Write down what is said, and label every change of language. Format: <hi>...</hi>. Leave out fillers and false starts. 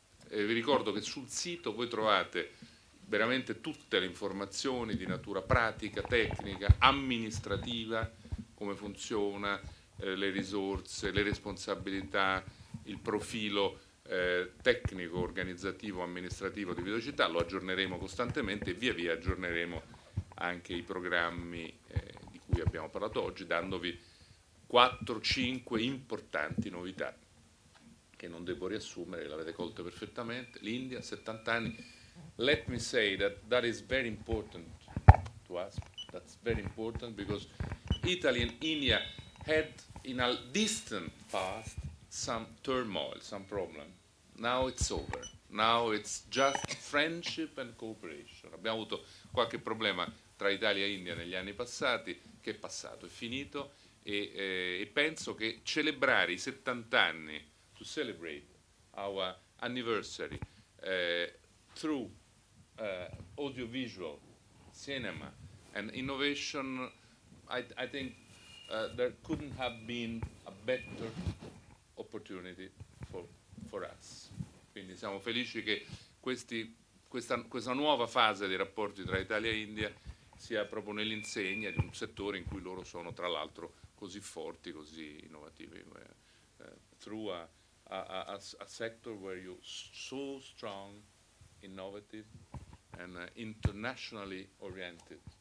<it>Vi ricordo che sul sito voi trovate veramente tutte le informazioni di natura pratica, tecnica, amministrativa, come funziona, le risorse, le responsabilità, il profilo tecnico, organizzativo, amministrativo di Videocittà, lo aggiorneremo costantemente e via via aggiorneremo anche i programmi di cui abbiamo parlato oggi, dandovi 4-5 importanti novità. che non devo riassumere, l'avete colto perfettamente, l'India, 70 anni.</it> <en>Let me say that that is very important to us, that's very important because Italy and India had in a distant past some turmoil, some problem. Now it's over. Now it's just friendship and cooperation.</en> <it>Abbiamo avuto qualche problema tra Italia e India negli anni passati, che è passato, è finito, e penso che celebrare i 70 anni,</it> <en>to celebrate our anniversary through audiovisual, cinema and innovation, I think there couldn't have been a better opportunity for us.</en> <it>Quindi siamo felici che questa nuova fase dei rapporti tra Italia e India sia proprio nell'insegna di un settore in cui loro sono tra l'altro così forti, così innovativi.</it> <en>Through a sector where you're so strong, innovative and internationally oriented.</en>